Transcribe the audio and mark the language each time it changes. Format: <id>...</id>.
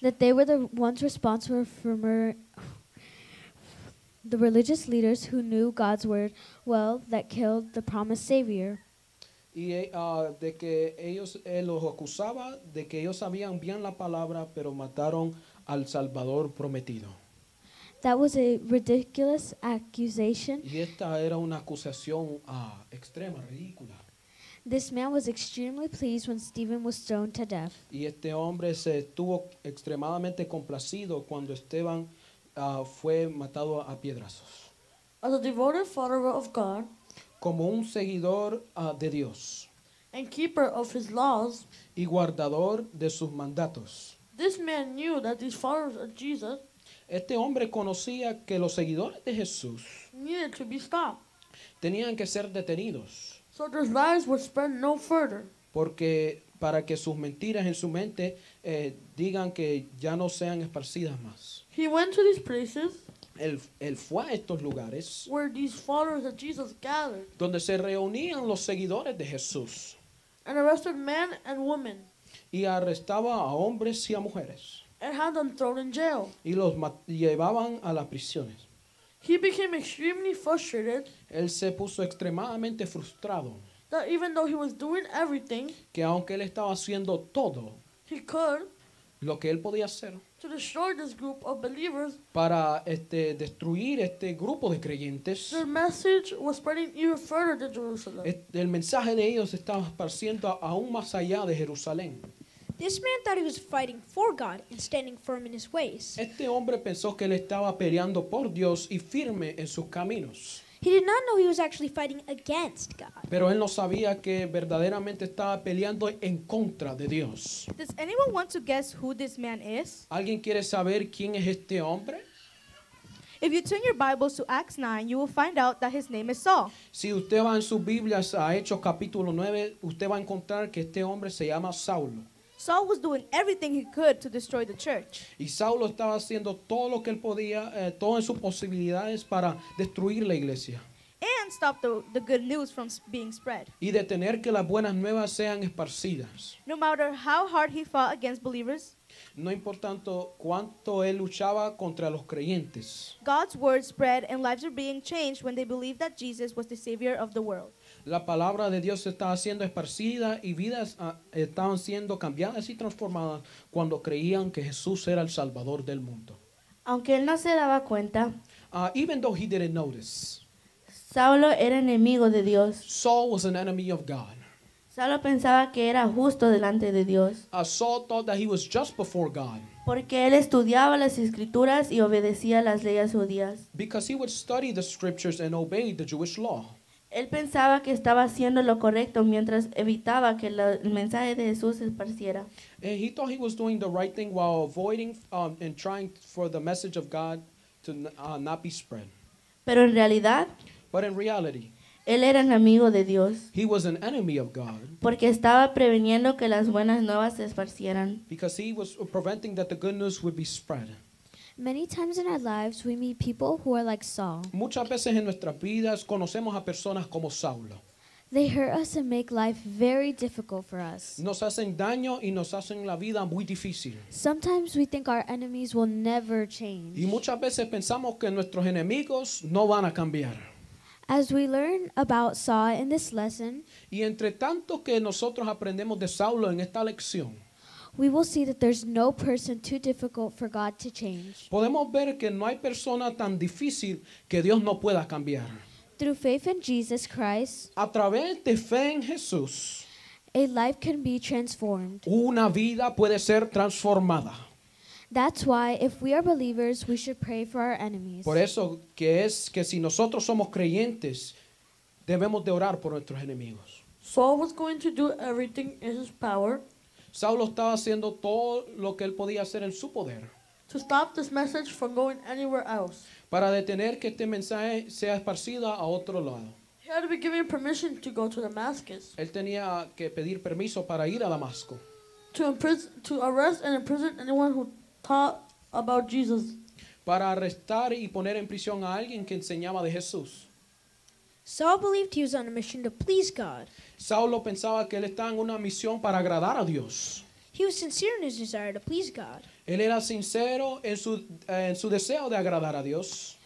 <en>That they were the ones responsible for the religious leaders who knew God's word well that killed the promised Savior.</en> <es>Y de que ellos los acusaba de que ellos sabían bien la palabra pero mataron al Salvador prometido.</es> <en>That was a ridiculous accusation.</en> <es>Y esta era una acusación extrema, ridícula.</es> <en>This man was extremely pleased when Stephen was stoned to death.</en> <es>Y este hombre se estuvo extremadamente complacido cuando Esteban fue matado a piedrazos.</es> <en>As a devoted follower of God.</en> <es>Como un seguidor de Dios.</es> <en>And keeper of his laws.</en> <es>Y guardador de sus mandatos.</es> <en>This man knew that these followers of Jesus.</en> <es>Este hombre conocía que los seguidores de Jesús</es> <en>needed to be stopped.</en> <es>Tenían que ser detenidos.</es> <en>So their lies would spread no further.</en> <es>Porque para que sus mentiras en su mente digan que ya no sean esparcidas más.</es> <en>He went to these places.</en> <es>Él fue a estos lugares.</es> <en>Where these followers of Jesus gathered.</en> <es>Donde se reunían los seguidores de Jesús.</es> <en>And arrested men and women.</en> <es>Y arrestaba a hombres y a mujeres.</es> <en>And had them thrown in jail.</en> <es>Y los llevaban a las prisiones.</es> <en>He became extremely frustrated.</en> <es>Él se puso extremadamente frustrado.</es> <en>That even though he was doing everything.</en> <es>Que aunque él estaba haciendo todo.</es> <en>He could.</en> <es>Lo que él podía hacer.</es> <en>To destroy this group of believers.</en> <es>Para destruir este grupo de creyentes.</es> <en>Their message was spreading even further than Jerusalem.</en> <es>El mensaje de ellos estaba esparciendo aún más allá de Jerusalén.</es> <en>This man thought he was fighting for God and standing firm in his ways.</en> <es>Este hombre pensó que él estaba peleando por Dios y firme en sus caminos.</es> <en>He did not know he was actually fighting against God.</en> <es>Pero él no sabía que verdaderamente estaba peleando en contra de Dios.</es> <en>Does anyone want to guess who this man is?</en> <es>¿Alguien quiere saber quién es este hombre?</es> <en>If you turn your Bibles to Acts 9, you will find out that his name is Saul.</en> <es>Si usted va en sus Biblias a Hechos capítulo 9, usted va a encontrar que este hombre se llama Saulo.</es> <en>Saul was doing everything he could to destroy the church.</en> <es>Y Saulo estaba haciendo todo lo que él podía, todo en sus posibilidades para destruir la iglesia.</es> <en>And stop the good news from being spread.</en> <es>Y detener que las buenas nuevas sean esparcidas.</es> <en>No matter how hard he fought against believers.</en> <es>No importando cuánto él luchaba contra los creyentes.</es> <en>God's word spread and lives are being changed when they believe that Jesus was the savior of the world.</en> <es>La palabra de Dios estaba siendo esparcida y vidas estaban siendo cambiadas y transformadas cuando creían que Jesús era el Salvador del mundo. Aunque él no se daba cuenta,</es> <en>even though he didn't notice,</en> <es>Saulo era enemigo de Dios.</es> <en>Saul was an enemy of God.</en> <es>Saulo pensaba que era justo delante de Dios.</es> <en>Saul thought that he was just before God.</en> <es>Porque él estudiaba las escrituras y obedecía las leyes judías.</es> <en>Because he would study the scriptures and obey the Jewish law.</en> <es>Él pensaba que estaba haciendo lo correcto mientras evitaba que el mensaje de Jesús se esparciera.</es> <en>And he thought he was doing the right thing while avoiding and trying for the message of God to not be spread.</en> <es>Pero en realidad,</es> <en>but in reality,</en> <es>él era enemigo de Dios.</es> <en>He was an enemy of God.</en> <es>Porque estaba preveniendo que las buenas nuevas se esparcieran.</es> <en>Because he was preventing that the good news would be spread. Many times in our lives, we meet people who are like Saul.</en> <es>Muchas veces en nuestras vidas conocemos a personas como Saulo.</es> <en>They hurt us and make life very difficult for us.</en> <es>Nos hacen daño y nos hacen la vida muy difícil.</es> <en>Sometimes we think our enemies will never change.</en> <es>Y muchas veces pensamos que nuestros enemigos no van a cambiar.</es> <en>As we learn about Saul in this lesson,</en> <es>y entre tanto que nosotros aprendemos de Saulo en esta lección,</es> <en>we will see that there's no person too difficult for God to change.</en> <es>Podemos ver que no hay persona tan difícil que Dios no pueda cambiar.</es> <en>Through faith in Jesus Christ.</en> <es>A través de fe en Jesús.</es> <en>a life can be transformed.</en> <es>Una vida puede ser transformada.</es> <en>That's why if we are believers, we should pray for our enemies.</en> <es>Por eso que es que si nosotros somos creyentes, debemos de orar por nuestros enemigos.</es> <en>Saul was going to do everything in his power.</en> <es>Saulo estaba haciendo todo lo que él podía hacer en su poder.</es> <en>To stop this message from going anywhere else.</en> <es>Para detener que este mensaje sea esparcido a otro lado.</es> <en>He had to be given permission to go to Damascus.</en> <es>Él tenía que pedir permiso para ir a Damasco.</es> <en>To arrest and imprison anyone who taught about Jesus.</en> <es>Para arrestar y poner en prisión a alguien que enseñaba de Jesús.</es> <en>Saul believed he was on a mission to please God.</en> <es>Saulo pensaba que él estaba en una misión para agradar a Dios.</es> <en>He was sincere in his desire to please God.</en> <es>Él era sincero en su deseo de agradar a Dios.</es>